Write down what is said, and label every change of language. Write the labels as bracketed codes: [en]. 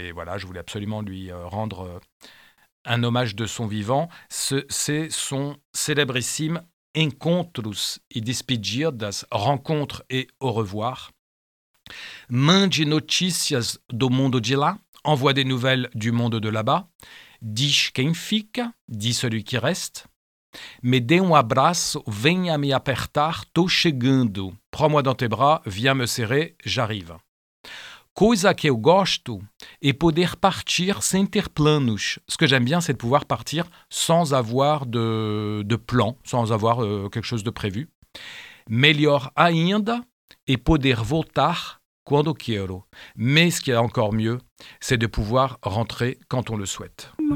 [fr] Et voilà, je voulais absolument lui rendre un hommage de son vivant. C'est son célébrissime Encontros e Despedidas, Rencontre et Au revoir. [pt] Mande notícias do mundo de lá, [fr] envoie des nouvelles du monde de là-bas. [pt] Diz quem fica, [fr] dit celui qui reste. [pt] Me dê abraço, venha me apertar, tô chegando. [fr] Prends-moi dans tes bras, viens me serrer, j'arrive. [pt] Coisa que eu gosto é poder partir sem ter planos. [fr] Ce que j'aime bien, c'est de pouvoir partir sans avoir de plan, sans avoir quelque chose de prévu. [pt] Melhor ainda é poder voltar quando quero. [fr] Mais ce qui est encore mieux, c'est de pouvoir rentrer quand on le souhaite.